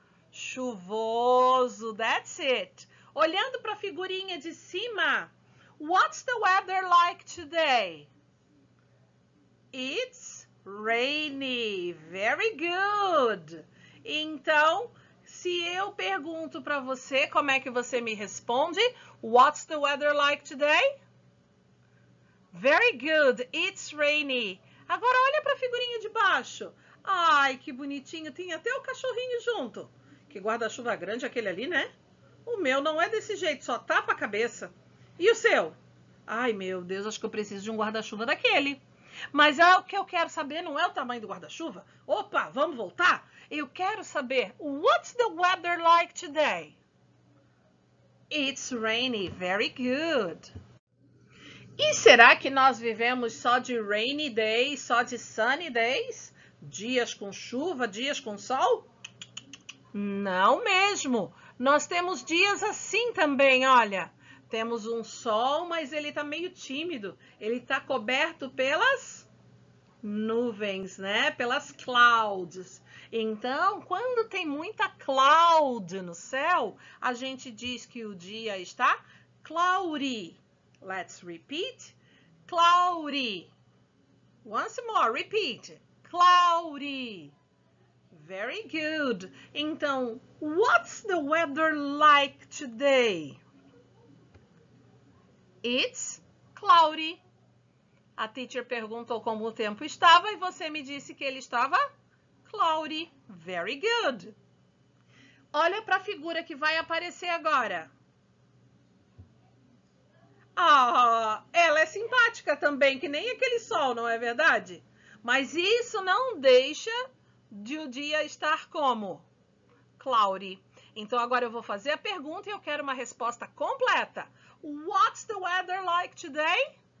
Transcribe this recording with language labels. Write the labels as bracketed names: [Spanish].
[Portuguese] Chuvoso, [English] that's it. [Portuguese] Olhando para a figurinha de cima, [English] what's the weather like today? It's rainy. Very good. [Portuguese] Então, se eu pergunto para você, como é que você me responde? [English] What's the weather like today? Very good. It's rainy. [Portuguese] Agora olha para a figurinha de baixo. Ai, que bonitinho. Tem até o cachorrinho junto. Que guarda-chuva grande aquele ali, né? O meu não é desse jeito, só tapa a cabeça. E o seu? Ai, meu Deus, acho que eu preciso de um guarda-chuva daquele. Mas o que eu quero saber não é o tamanho do guarda-chuva. Opa, vamos voltar? Eu quero saber, [English] what's the weather like today? It's rainy. Very good. [Portuguese] E será que nós vivemos só de [English] rainy days, [Portuguese] só de [English] sunny days? [Portuguese] Dias com chuva, dias com sol? Não mesmo. Nós temos dias assim também, olha. Temos um sol, mas ele está meio tímido. Ele está coberto pelas nuvens, né? Pelas clouds. Então, quando tem muita cloud no céu, a gente diz que o dia está cloudy. [English] Let's repeat. Cloudy. Once more, repeat. Cloudy. Very good. Então, what's the weather like today? It's cloudy. [Portuguese] A teacher perguntou como o tempo estava e você me disse que ele estava cloudy. [English] Very good. [Portuguese] Olha para a figura que vai aparecer agora. Ah, ela é simpática também, que nem aquele sol, não é verdade? Mas isso não deixa de o dia estar como? Cloudy. Então agora eu vou fazer a pergunta e eu quero uma resposta completa. [English] What's the weather like today?